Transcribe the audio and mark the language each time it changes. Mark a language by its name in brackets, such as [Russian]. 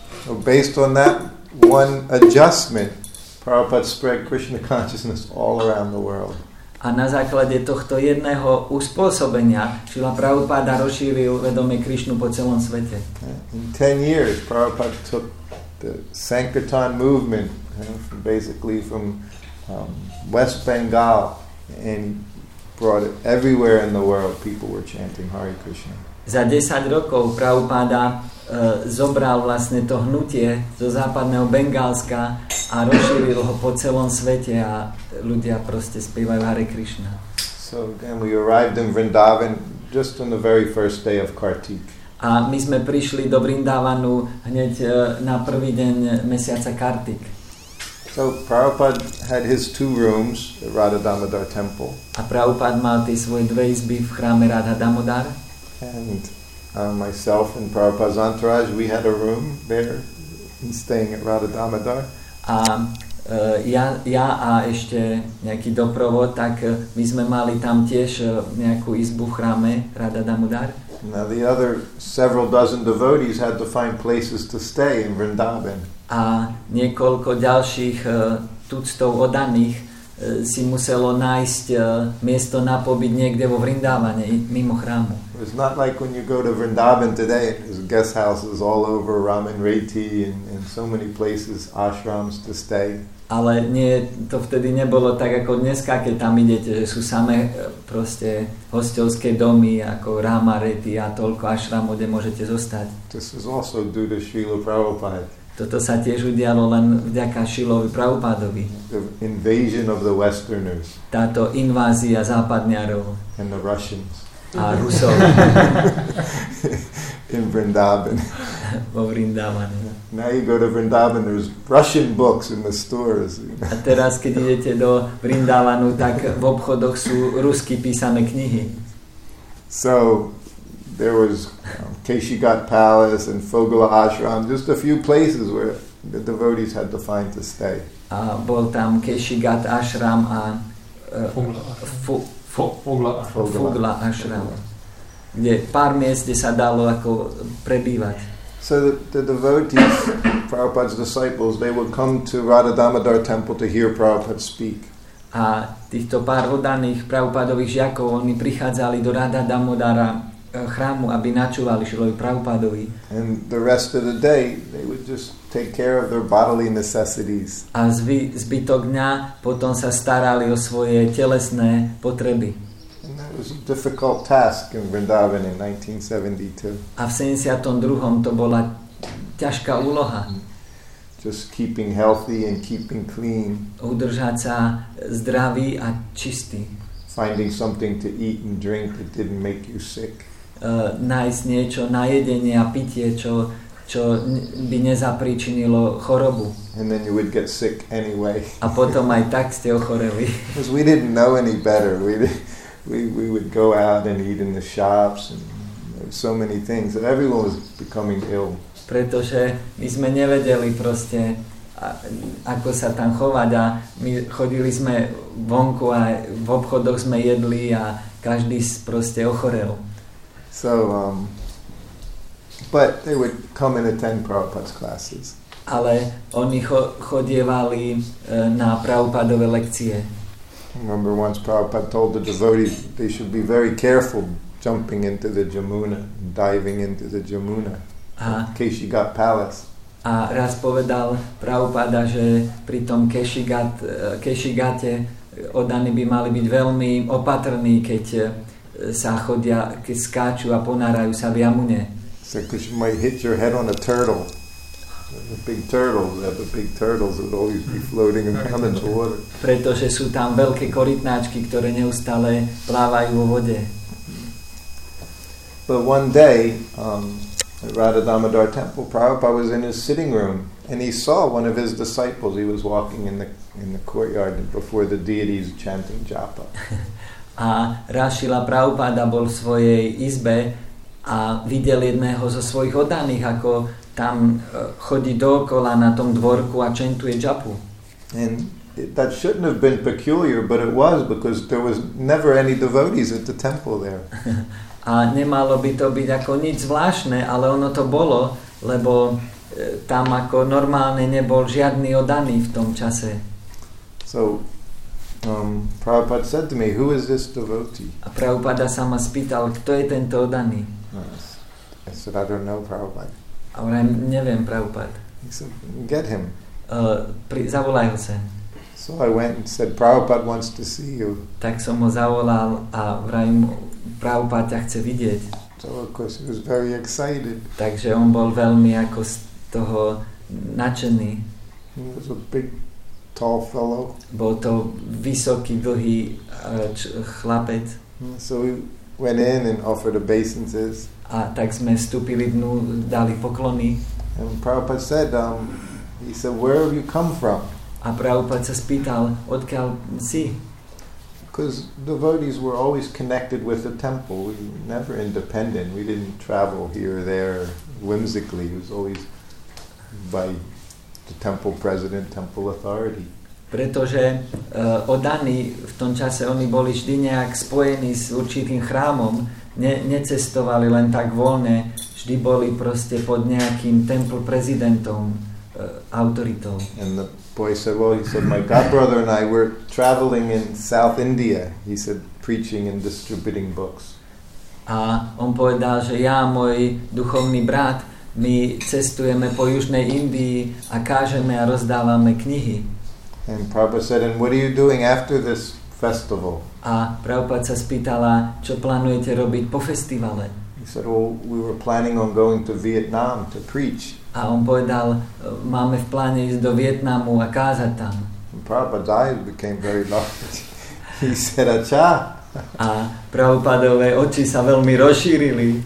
[English] So based on that one adjustment, Prabhupada spread Krishna consciousness all around the world. [Slovak] A na základe tohto jedného uspôsobenia Šrila Prabhupada rozšíril vedomie Krišnu po celom svete. [English] In 10 years Prabhupada took the Sankirtan movement basically from West Bengal and brought it everywhere in the world. People were chanting Hare Krishna. [Slovak] Za 10 rokov Prabhupada zobral vlastne to hnutie zo západného Bengálska a rozšíril ho po celom svete a ľudia proste spievajú Hare Krishna. [English] So then we arrived in Vrindavan just on the very first day of Kartik. [Slovak] A my sme prišli do Vrindavanu hneď na prvý deň mesiaca Kartik. [English] So Prabhupada had his two rooms at Radha Damodar temple. [Slovak] A Prabhupada mal tie svoje dve izby v chráme Radha Damodar. [English] And myself and Prabhupada's entourage, we had a room there and staying at Radha Damodar. [Slovak] A ja a ešte nejaký doprovod, tak my sme mali tam tiež nejakú izbu v chráme Radha Damodar. [English] Now the other several dozen devotees had to find places to stay in Vrindavan. [Slovak] A niekoľko ďalších tuctov oddaných si muselo nájsť miesto na pobyt niekde vo Vrindávane, mimo chrámu. [English] It's not like when you go to Vrindavan today, there's guest houses all over, Ramanreti and so many places, ashrams to stay. [Slovak] Ale nie, to vtedy nebolo tak ako dneska, keď tam idete, že sú samé proste hostelské domy ako Ramanreti a toľko ashramov, kde môžete zostať. [English] This is also due to Srila Prabhupada. [Slovak] Toto sa tiež udialo len vďaka Šilovi Prabhupádovi. [English] The invasion of the Westerners. [Slovak] Táto invázia západňarov. [English] And the Russians. [Slovak] A Rusov. [English] In Vrindavan. [Slovak] Vo Vrindavane. [English] Now you go to Vrindavan, there's Russian books in the stores. [Slovak] A teraz, keď idete do Vrindavanu, tak v obchodoch sú rusky písané knihy. [English] So there was Keshigat Palace and Fogla Ashram, just a few places where the devotees had to find to stay. [Slovak] A bol tam Keshigat Ashram a Fogla Ashram, kde pár miest, kde sa dalo ako prebývať. [English] So the devotees, Prabhupada's disciples, they would come to Radha Damodar temple to hear Prabhupada speak. [Slovak] A týchto pár oddaných Prabhupadových žiakov, oni prichádzali do Radha Damodara chrámu, aby načúvali Šrilovi Prabhupádovi. [English] And the rest of the day they would just take care of their bodily necessities. [Slovak] A zbytok dňa potom sa starali o svoje telesné potreby. [English] And that was a difficult task in Vrindavan in 1972. [Slovak] A v 72. to bola ťažká úloha. [English] Just keeping healthy and keeping clean. [Slovak] Udržať sa zdravý a čistý. [English] Finding something to eat and drink that didn't make you sick. [Slovak] Nájsť niečo na jedenie a pitie, čo by nezapríčinilo chorobu. [English] And then you would get sick anyway. [Slovak] A potom aj tak ste ochoreli. [English] Because we didn't know any better. We would go out and eat in the shops and so many things. Everyone was becoming ill. [Slovak] Pretože my sme nevedeli proste, ako sa tam chovať. A my chodili sme vonku a v obchodoch sme jedli a každý proste ochorel. [English] So but they would come and attend Prabhupada's classes. [Slovak] Ale oni chodievali na Prabhupádove lekcie. [English] Remember once Prabhupada told the devotees they should be very careful jumping into the Jamuna, diving into the Jamuna. [Slovak] A Keshigat Palace. A raz povedal Prabhupada, že pri tom Keshigate oddaní by mali byť veľmi opatrní, keď sa chodia, keď skáču a ponárajú sa v Jamune. [English] So, because you might hit your head on a turtle. The big turtles, they have the big turtles that always be floating and come into water. [Slovak] Pretože sú tam veľké korytnáčky, ktoré neustále plávajú vo vode. [English] But one day, at Radha Damodar temple, Prabhupada was in his sitting room and he saw one of his disciples. He was walking in the courtyard before the deities chanting japa. [Slovak] A raz Šila Prabhupada bol v svojej izbe a videl jedného zo svojich oddaných, ako tam chodí dookola na tom dvorku a čentuje džapu. [English] And that shouldn't have been peculiar, but it was, because there was never any devotees at the temple there. [Slovak] A nemalo by to byť ako nič zvláštne, ale ono to bolo, lebo tam ako normálne nebol žiadny oddaný v tom čase. [English] So Prabhupada said to me, who is this devotee? [Slovak] A Prabhupada sa ma spýtal, kto je tento oddaný? [English] I said, I don't know Prabhupada. [Slovak] A vrajím, neviem Prabhupada. [English] He said, get him. [Slovak] Zavolaj ho sem. [English] So I went and said, Prabhupada wants to see you. [Slovak] Tak som ho zavolal a vrajím, Prabhupada ťa chce vidieť. [English] So of course he was very excited. [Slovak] Takže on bol veľmi ako z toho nadšený. [English] He was a big, tall fellow. [Slovak] Bol to vysoký, dlhý chlapec. [English] So we went in and offered obeisances. [Slovak] A tak sme vstúpili dnu, dali poklony. [English] And Prabhupada said, he said, where have you come from? [Slovak] A Prabhupada sa spýtal, odkiaľ si? [English] Because devotees were always connected with the temple. We were never independent. We didn't travel here or there whimsically. It was always by the temple president, temple authority. [Slovak] Pretože oddaní v tom čase oni boli vždy nejak spojení s určitým chrámom, necestovali len tak voľne, vždy boli proste pod nejakým temple prezidentom, autoritou. [English] And the boy said, well, he said, my godbrother and I were traveling in South India, he said, preaching and distributing books. [Slovak] A on povedal, že ja, môj duchovný brat, my cestujeme po južnej Indii a kážeme a rozdávame knihy. [English] And Prabhupada said, and what are you doing after this festival? [Slovak] A Prabhupada sa spýtala, čo plánujete robiť po festivale? [English] He said, well, we were planning on going to Vietnam to preach. [Slovak] A on povedal, máme v pláne ísť do Vietnamu a kázať tam. [English] And Prabhupada became very large. He said, ača. [Slovak] A Prabhupadové oči sa veľmi rozšírili.